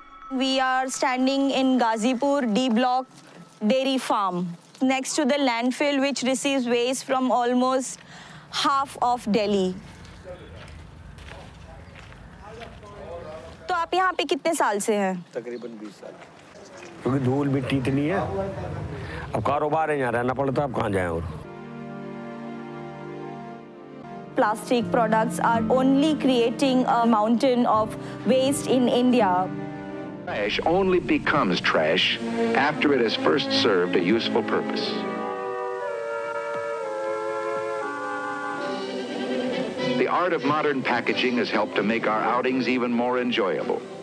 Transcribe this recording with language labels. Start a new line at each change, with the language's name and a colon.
English: We are standing in Ghazipur D Block Dairy Farm, next to the landfill which receives waste from almost half of Delhi.
Hindi: तो आप यहाँ पे कितने साल से हैं? तकरीबन 20 साल. क्योंकि धूल मिट्टी इतनी है, अब कारोबार है, यहाँ रहना पड़ता, अब कहाँ जाएं और?
English: Plastic products are only creating a mountain of waste in India. Trash only becomes trash after it has first served a useful purpose. The art of modern packaging has helped to make our outings even more enjoyable.